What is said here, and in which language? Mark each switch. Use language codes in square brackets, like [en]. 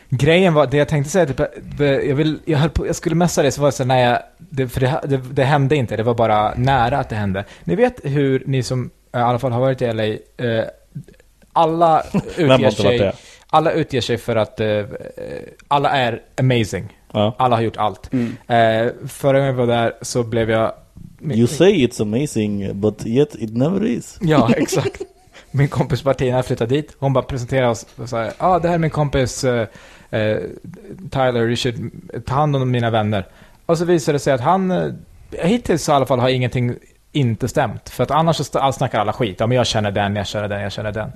[sv] Grejen var, det jag tänkte säga typ, jag skulle messa dig så var det så här, det hände inte, det var bara nära att det hände. Ni vet hur ni som i alla fall har varit i LA alla utger sig alla utger sig för att alla är amazing. Ja. Alla har gjort allt. Mm. Förra gången jag var där så blev jag... [en] You say it's amazing, but yet it never is. [sv] Ja, exakt. Min kompis Martina flyttade dit. Hon bara presenterade oss och sa, det här är min kompis Tyler, [en] you should [sv] ta hand om mina vänner. Och så visade det sig att han hittills i alla fall har ingenting inte stämt. För att annars så snackar alla skit. Ja, men jag känner den.